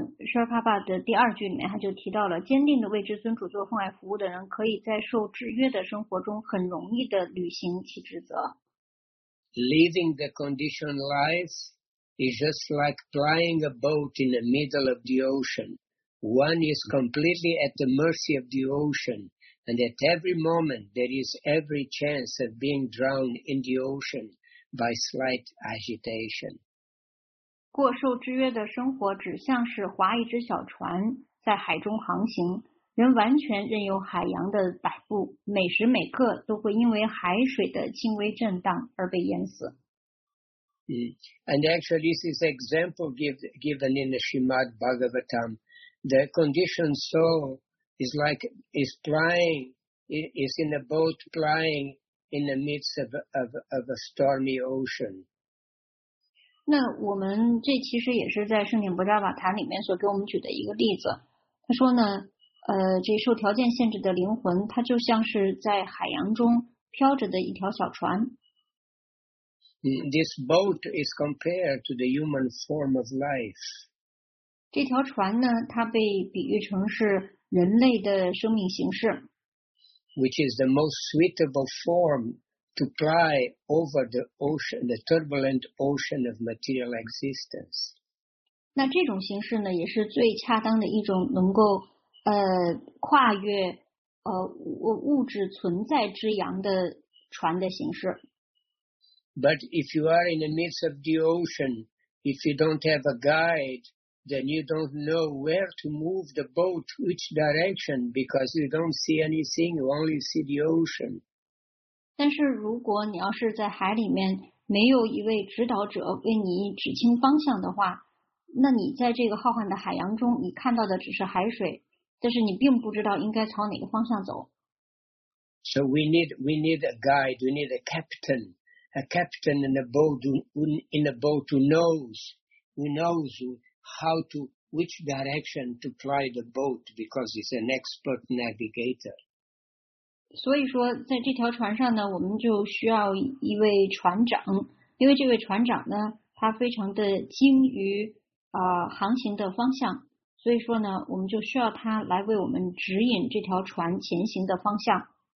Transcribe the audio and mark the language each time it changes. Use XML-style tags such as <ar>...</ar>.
<zh>舍尔帕巴的第二句里面他就提到了，坚定的为至尊主做奉爱服务的人可以在受制约的生活中很容易的履行其职责。</zh> <en>Living the conditioned life is just like plying a boat in the middle of the ocean. One is completely at the mercy of the ocean, and at every moment there is every chance of being drowned in the ocean by slight agitation.</en> <zh>过受制约的生活只像是划一只小船在海中航行，人完全任由海洋的摆布，每时每刻都会因为海水的轻微震荡而被淹死。</zh> <en>And actually this is example given in the Srimad Bhagavatam. The conditioned soul is in a boat plying in the midst of a stormy ocean.</en> <zh>那我们这其实也是在圣顶波扎瓦塔里面所给我们举的一个例子。他说呢，这受条件限制的灵魂，它就像是在海洋中飘着的一条小船。</zh> <en>This boat is compared to the human form of life.</en> <zh>这条船呢，它被比喻成是人类的生命形式。</zh> <en>Which is the most suitable form. To ply over the ocean, the turbulent ocean of material existence.</en> <zh>那这种形式呢，也是最恰当的一种能够跨越物质存在之洋的船的形式。</zh> <en>But if you are in the midst of the ocean, if you don't have a guide, then you don't know where to move the boat, which direction, because you don't see anything, you only see the ocean.</en> <zh>但是如果你要是在海里面没有一位指导者为你指清方向的话，那你在这个浩瀚的海洋中，你看到的只是海水，但是你并不知道应该朝哪个方向走。</zh> <en>So we need a guide, we need a captain in a boat who knows how to which direction to ply the boat because he's an expert navigator.</en> <zh>所以说在这条船上呢，我们就需要一位船长，因为这位船长呢他非常的精于航行的方向，所以说呢我们就需要他来为我们指引这条船前行的方向。</zh>